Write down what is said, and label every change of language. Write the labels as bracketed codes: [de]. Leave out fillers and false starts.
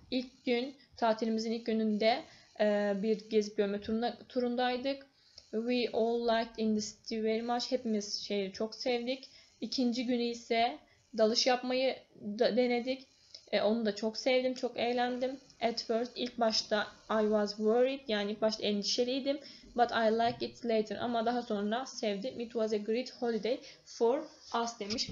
[tr] İlk gün tatilimizin ilk gününde bir gezip görme turundaydık. [en] We all liked in the city very much. [tr] Hepimiz şehri çok sevdik. İkinci günü ise dalış yapmayı da denedik. Onu da çok sevdim, çok eğlendim. [en] At first, [tr] ilk başta [en] I was worried, [tr] yani ilk başta endişeliydim. [en] But I liked it later. [tr] Ama daha sonra sevdim. [en] It was a great holiday for us demiş.